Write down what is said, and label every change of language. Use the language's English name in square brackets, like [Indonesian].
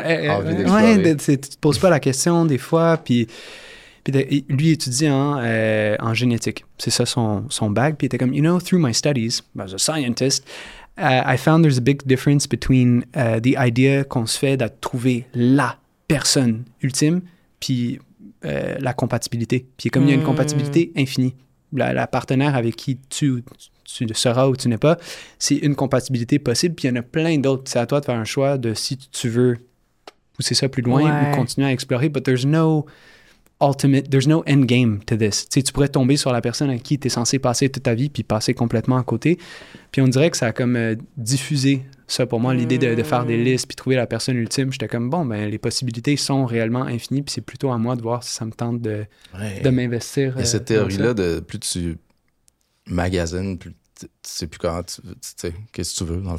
[French] à... tu te poses pas la question des fois, puis lui étudie en génétique, c'est ça son bag, puis il était comme, [English] you know, through my studies, as a scientist, I found there's a big difference between the idea [French] qu'on se fait de trouver la personne ultime, puis la compatibilité, puis comme il y a une compatibilité infinie. La partenaire avec qui tu seras ou tu n'es pas, c'est une compatibilité possible, puis il y en a plein d'autres. C'est à toi de faire un choix de si tu veux pousser ça plus loin ou continuer à explorer. [English] But there's no ultimate, there's no end game to this. [French] T'sais, tu pourrais tomber sur la personne avec qui tu es censé passer toute ta vie puis passer complètement à côté. Puis on dirait que ça a comme diffusé ça, pour moi, l'idée de faire des listes puis trouver la personne ultime, j'étais comme, bon, ben les possibilités sont réellement infinies puis c'est plutôt à moi de voir si ça me tente de, ouais, de m'investir. Et cette théorie-là, de plus tu magasines, plus tu sais plus comment tu sais, qu'est-ce que tu veux, dans le